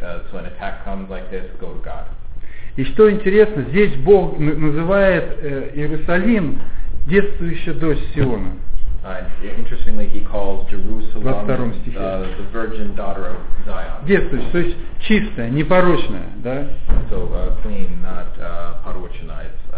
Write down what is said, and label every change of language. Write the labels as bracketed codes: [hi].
[en] So an attack comes like this, go to God. [ru] И что интересно, здесь Бог называет Иерусалим действующая дочь Сиона. [en] Interestingly, He calls Jerusalem [ru] 22-м стихе. [en] The virgin daughter of Zion. [ru] Действующая, то есть чистая, непорочная, да? [en] So clean, not [ru] порочная.